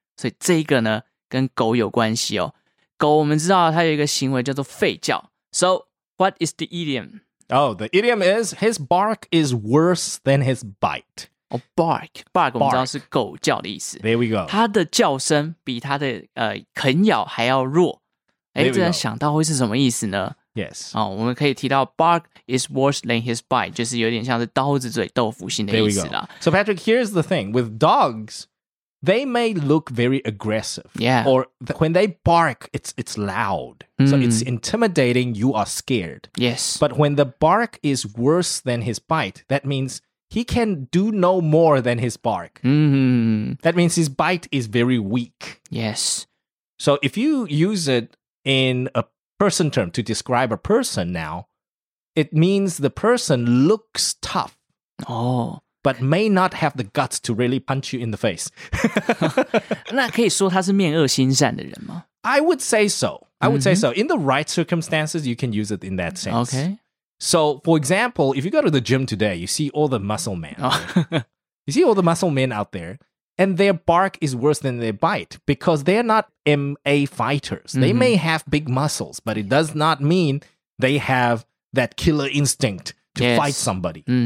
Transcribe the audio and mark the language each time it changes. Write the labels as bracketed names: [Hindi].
[Chinese] 所以这个呢，跟狗有关系哦。狗我们知道它有一个行为叫做吠叫. [English] So, what is the idiom? Oh, the idiom is, his bark is worse than his bite. Oh, bark. Bark, bark. [Chinese] 我们知道是狗叫的意思. [English] There we go. [Chinese] 它的叫声比它的啃咬还要弱. 诶，这样想到会是什么意思呢？ [English] Yes. [Chinese] 哦，我们可以提到 bark is worse than his bite, 就是有点像是刀子嘴豆腐心的意思啦. [English] So Patrick, here's the thing. With dogs, they may look very aggressive. Yeah. Or when they bark, it's loud. So it's intimidating. You are scared. Yes. But when the bark is worse than his bite, that means he can do no more than his bark. That means his bite is very weak. Yes. So if you use it in a person term to describe a person now, it means the person looks tough. Oh. But may not have the guts to really punch you in the face. [Chinese] 那可以说他是面恶心善的人吗? [English] I would say so. I would say so. In the right circumstances, you can use it in that sense. Okay. So, for example, if you go to the gym today, you see all the muscle men. You see all the muscle men out there, and their bark is worse than their bite because they're not MMA fighters. Mm-hmm. They may have big muscles, but it does not mean they have that killer instinct to fight somebody.